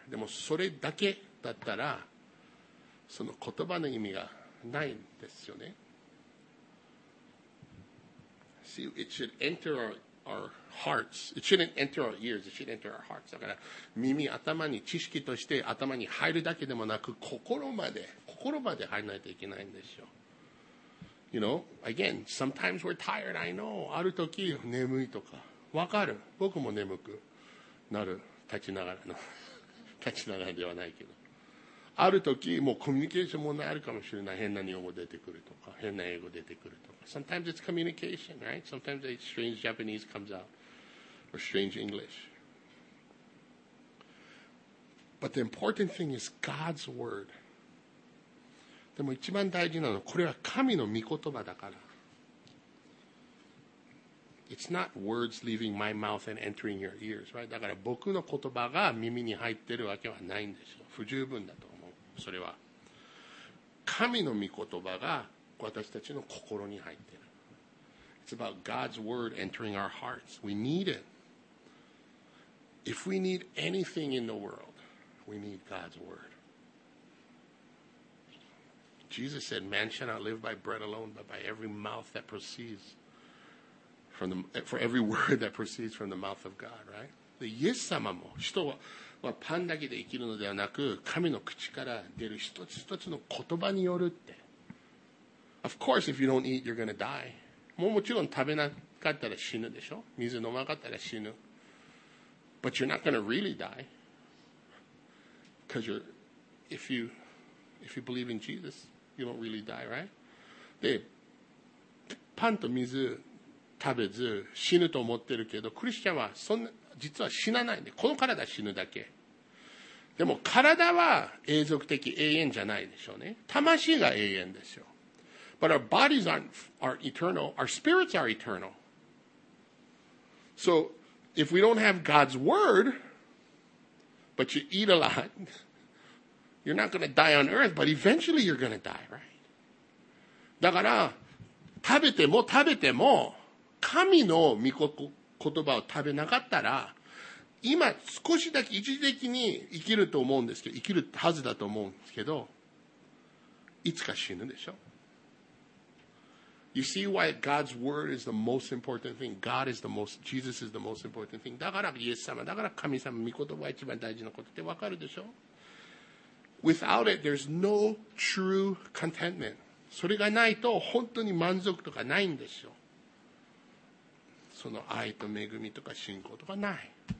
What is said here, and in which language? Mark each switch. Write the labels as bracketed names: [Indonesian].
[Japanese] でもそれだけだったら、その言葉の意味がないんですよね。 [English] See, it should enter our hearts. It shouldn't enter our ears. It should enter our hearts. [Japanese] だから耳、頭に知識として頭に入るだけでもなく、心まで入らないといけないんですよ。 [English] You know, again, sometimes we're tired, I know. [Japanese] ある時眠いとか。わかる。僕も眠くなる。立ちながらの。立ちながらではないけど。ある時、もうコミュニケーション問題あるかもしれない。変な日本語出てくるとか、変な英語出てくるとか。 [English] Sometimes it's communication, right? Sometimes a strange Japanese comes out. Or strange English. But the important thing is God's word. [Japanese] でも一番大事なのは、これは神の御言葉だから。 [English] It's not words leaving my mouth and entering your ears, right? [Japanese] だから僕の言葉が耳に入ってるわけはないんですよ。不十分だと思う。それは。神の御言葉が私たちの心に入ってる。 [English] It's about God's word entering our hearts. We need it. If we need anything in the world, we need God's word. Jesus said, man shall not live by bread alone, but by every mouth that proceeds. For every word that proceeds from the mouth of God, right? [Japanese] で、イエス様も、人はパンだけで生きるのではなく、神の口から出る一つ一つの言葉によるって。 [English] Of course, if you don't eat, you're gonna die. [Japanese] もうもちろん食べなかったら死ぬでしょ。水飲まなかったら死ぬ。 [English] But you're not gonna really die. Because if you believe in Jesus, you don't really die, right? [Japanese] で、パンと水、食べず死ぬと思ってるけど、クリスチャンはそんな実は死なないんで、この体死ぬだけ。でも体は永続的永遠じゃないでしょうね。魂が永遠ですよ。 [English] But our bodies aren't eternal. Our spirits are eternal. So if we don't have God's word, but you eat a lot, you're not going to die on earth, but eventually you're going to die, right? [Japanese] だから食べても神の御言葉を食べなかったら、今少しだけ一時的に生きると思うんですけど、生きるはずだと思うんですけど、いつか死ぬでしょ。 [English] You see why God's word is the most important thing. God is the most, Jesus is the most important thing. [Japanese] だからイエス様、だから神様、御言葉は一番大事なことってわかるでしょ。 [English] Without it, there's no true contentment. [Japanese] それがないと本当に満足とかないんですよ。その愛と恵みとか信仰とかない。